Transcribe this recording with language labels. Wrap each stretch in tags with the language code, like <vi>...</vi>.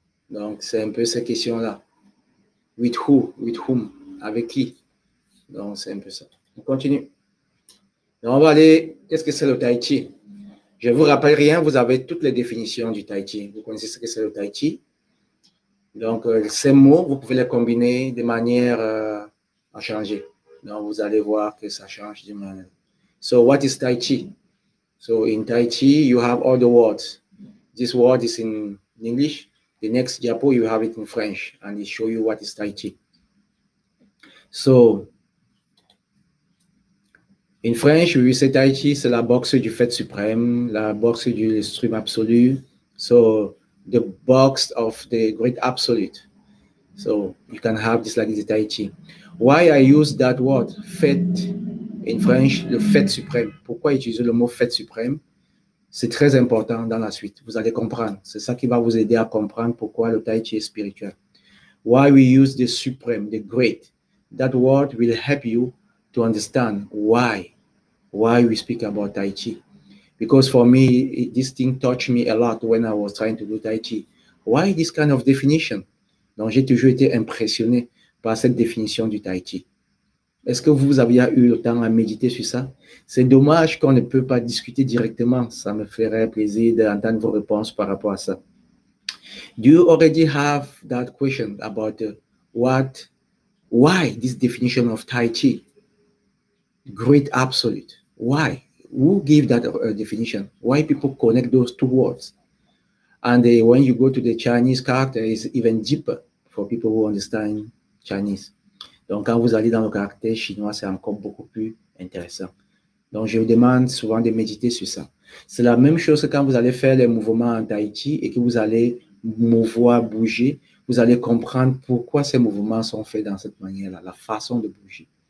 <fr>Donc, c'est un peu cette question-là.</fr> <en>With who? With whom?</en> <fr>Avec qui? Donc, c'est un peu ça. On continue. Donc, on va aller. Qu'est-ce que c'est le Tai Chi? Je ne vous rappelle rien. Vous avez toutes les définitions du Tai Chi. Vous connaissez ce que c'est le Tai Chi. Donc, ces mots, vous pouvez les combiner de manière à changer. Donc, vous allez voir que ça change de manière.</fr> <en>So, what is Tai Chi? So, in Tai Chi, you have all the words. This word is in English. The next diapo, you have it in French, and it show you what is Tai Chi. So, in French, we say Tai Chi,</en> <fr>c'est la boxe du fait suprême, la boxe du stream absolu.</fr> <en>So, the box of the great absolute. So you can have this like the Tai Chi. Why I use that word, fête, in French,</en> <fr>le fête suprême. Pourquoi utiliser le mot fête suprême? C'est très important dans la suite. Vous allez comprendre. C'est ça qui va vous aider à comprendre pourquoi le Tai Chi est spirituel.</fr> <en>Why we use the supreme, the great. That word will help you to understand why we speak about Tai Chi. Because for me, this thing touched me a lot when I was trying to do Tai Chi. Why this kind of definition?</en> <fr>Donc, j'ai toujours été impressionné par cette définition du Tai Chi. Est-ce que vous aviez eu le temps à méditer sur ça? C'est dommage qu'on ne peut pas discuter directement. Ça me ferait plaisir d'entendre vos réponses par rapport à ça.</fr> <en>Do you already have that question about what, why this definition of Tai Chi? Great Absolute. Why? Who gave that definition? Why people connect those two words? And when you go to the Chinese character, it's even deeper for people who understand Chinese.</en> <fr>Donc, quand vous allez dans le caractère chinois, c'est encore beaucoup plus intéressant. Donc, je vous demande souvent de méditer sur ça. C'est la même chose que quand vous allez faire les mouvements en Tai Chi et que vous allez mouvoir, bouger, vous allez comprendre pourquoi ces mouvements sont faits dans cette manière-là, la façon de bouger.</fr>